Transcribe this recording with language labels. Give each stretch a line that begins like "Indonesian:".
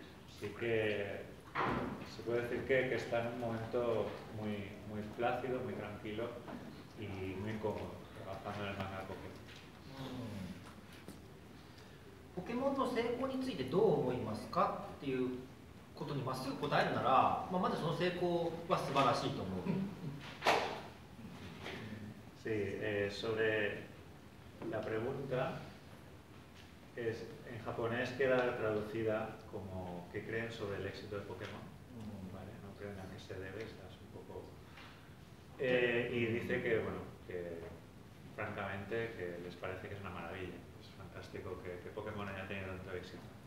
Spanish: Así que se puede decir que está en un momento muy, muy plácido, muy tranquilo y muy cómodo, trabajando en el manga Pokémon. ¿Pokémon no se conoce de todo el mundo?
Japanese: ことにまっすぐ答えるなら、まあ、まずその成功は素晴らしいと思う。
Spanish: Sí, sobre la pregunta, es, en japonés queda traducida como ¿qué creen sobre el éxito de Pokémon? ¿Vale? No creen a qué se debe, estás un poco... y dice que, bueno, que francamente que les parece que es una maravilla, es fantástico que Pokémon haya tenido tanto éxito.